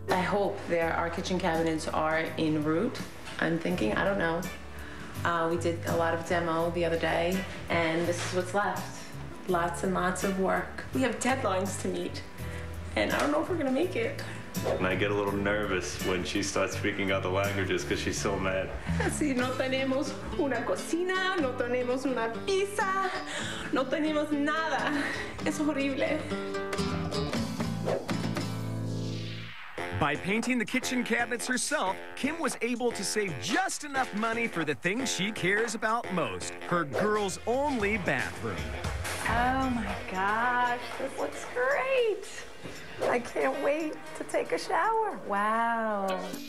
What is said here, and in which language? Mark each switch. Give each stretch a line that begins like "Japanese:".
English: I hope that our kitchen cabinets are en route. I'm thinking, I don't know. We did a lot of demo the other day, and this is what's left. Lots and lots of work. We have deadlines to meet, and I don't know if we're gonna make it. And I get a little nervous when she starts speaking other languages because she's so mad.
Spanish: Así, no tenemos una cocina, no tenemos una pizza, no tenemos nada. Es horrible.
English: By painting the kitchen cabinets herself, Kim was able to save just enough money for the thing she cares about most, her girls' only bathroom. Oh my gosh, this looks great. I can't wait to take a shower. Wow.